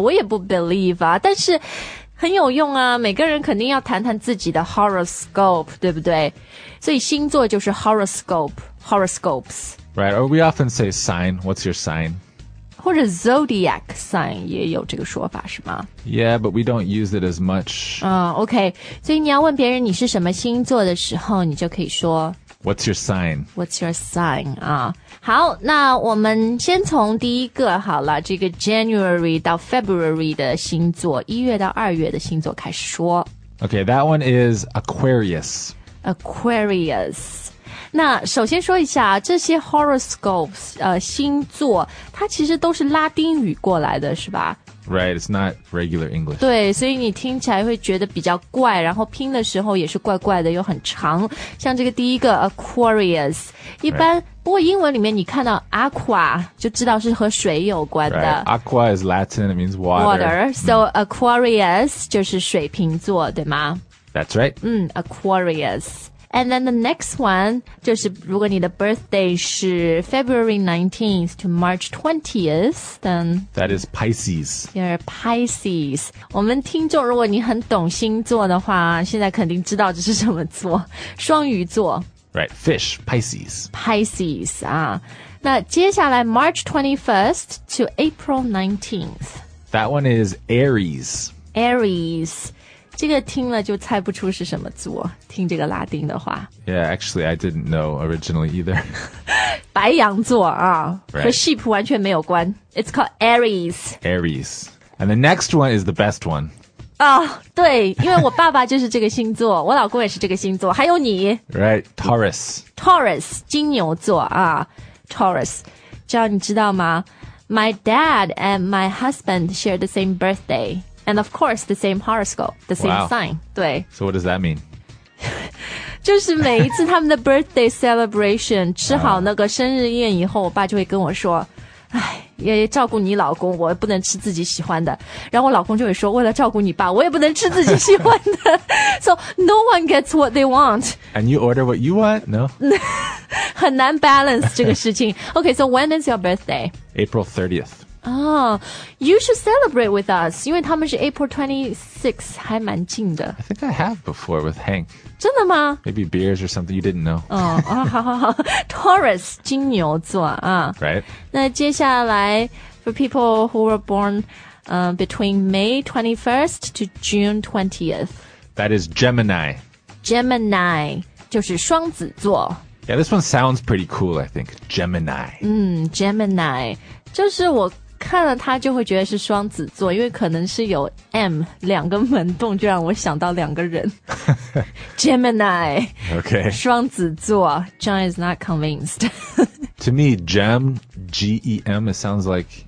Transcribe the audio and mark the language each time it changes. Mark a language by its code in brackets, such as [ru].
[zh] 我也不 believe 啊，但是很有用啊，每个人肯定要谈谈自己的 horoscope, 对不对？所以星座就是 horoscope, horoscopes. [en] Right, or we often say sign, what's your sign? [zh] 或者 zodiac sign 也有这个说法是吗 [en] Yeah, but we don't use it as much. OK. [zh] 所以你要问别人你是什么星座的时候你就可以说 [en] What's your sign? What's your sign? [zh] 好那我们先从第一个好了这个 January 到 February 的星座1月到2月的星座开始说 [en] OK, that one is Aquarius. Aquarius. [zh] 那首先说一下这些 horoscopes, 星座它其实都是拉丁语过来的是吧 [en] Right, it's not regular English. [zh] 对所以你听起来会觉得比较怪然后拼的时候也是怪怪的又很长。像这个第一个 Aquarius, 一般、right. 不过英文里面你看到 aqua, 就知道是和水有关的。 [en] Right. Aqua is Latin, it means water. Water, so [zh] Aquarius 就是水瓶座对吗 [en] That's right. Aquarius. And then the next one, [zh] 就是如果你的 [en] birthday 是 February 19th to March 20th, then... That is Pisces. You're Pisces. [zh] 我们听众如果你很懂星座的话现在肯定知道这是什么座。双鱼座。 [en] Right, fish, Pisces. Pisces, 啊。 [zh] 那接下来 March 21st to April 19th. [en] That one is Aries. Aries. [zh] 这个听了就猜不出是什么座听这个拉丁的话 [en] Yeah, actually, I didn't know originally either [zh] 白羊座啊、 [en] right. [zh] 和 sheep 完全没有关 [en] It's called Aries Aries And the next one is the best one [zh] 啊、oh, 对因为我爸爸就是这个星座我老公也是这个星座还有你 [en] Right, Taurus Taurus, [zh] 金牛座啊 [en] Taurus [zh] 这样你知道吗 [en] My dad and my husband share the same birthdayAnd of course, the same horoscope, the same sign. Wow. 对。So what does that mean? [zh] 就是每一次他们的 birthday celebration, 吃好那个生日宴以后,我爸就会跟我说,也照顾你老公,我不能吃自己喜欢的。然后我老公就会说,为了照顾你爸,我也不能吃自己喜欢的。 [en] So no one gets what they want. And you order what you want? No? [zh] 很难 balance 这个事情。 [en] Okay, so when is your birthday? April 30th. You should celebrate with us, [zh] 因为他们是 [en] April 26th, [zh] 还蛮近的。 [en] I think I have before with Hank. [zh] 真的吗? [en] Maybe beers or something, you didn't know. [zh] 好好好, Taurus, 金牛座啊。 [en] Right. [zh] 那接下来, [en] for people who were born between May 21st to June 20th. That is Gemini. [zh] Gemini, 就是双子座。 [en] Yeah, this one sounds pretty cool, I think. Gemini. [zh] Gemini, 就是我看了他就会觉得是双子座因为可能是有 M 两个门洞就让我想到两个人 Gemini [en] OK [zh] 双子座 [en] John is not convinced To me gem G-E-M it sounds like you